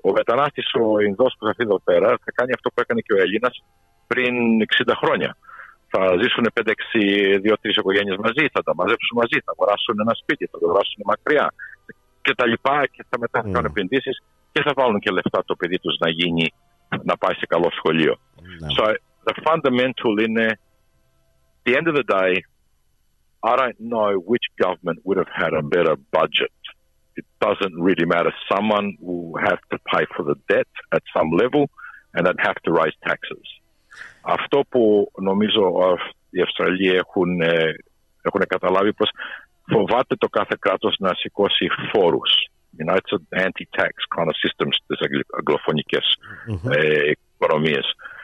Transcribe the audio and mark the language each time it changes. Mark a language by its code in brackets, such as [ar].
[el] Ο μετανάστης, ο Ινδός που θα φύγει εδώ πέρα, θα κάνει αυτό που έκανε και ο Έλληνας πριν 60 χρόνια. Θα ζήσουν 5-6, 2-3 οικογένειες μαζί, θα τα μαζέψουν μαζί, θα αγοράσουν ένα σπίτι, θα το αγοράσουν μακριά και τα λοιπά, και θα μετά θα κάνουν επενδύσεις και θα βάλουν και λεφτά το παιδί τους να γίνει, να πάει σε καλό σχολείο. [en] No. So, the fundamental είναι, the end of the day, I don't know which government would have had a better budget. It doesn't really matter. Someone will have to pay for the debt at some level and then have to raise taxes. [el] Αυτό που νομίζω οι Αυστραλοί έχουν καταλάβει, πως φοβάται το κάθε κράτος να σηκώσει φόρους. [en] You know, it's an anti-tax kind of system [el] στις αγγλοφωνικές οικονομίες.